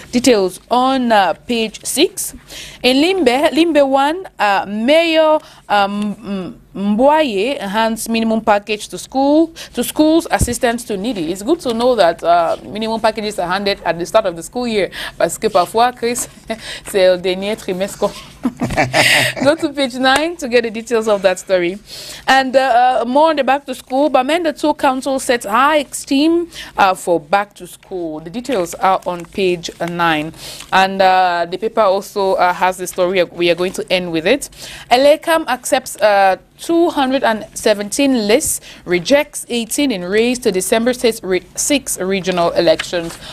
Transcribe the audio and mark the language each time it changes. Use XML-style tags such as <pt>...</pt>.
<en>Details on page 6. In Limbe 1, Mayor Mbwaye enhanced minimum package to schools, assistance to needy. It's good to know that minimum packages are handed at the start of the school year.</en> <fr>Parce que parfois, Chris, c'est le dernier trimestre.</fr> <en>Go to page 9 to get the details of that story. And more on the back to school. Bamenda 2 Council sets high esteem for back to school. The details are on page 9. And the paper also has the story. We are going to end with it. Elecam accepts 217 lists, rejects 18 in race to December 6 regional elections.</en>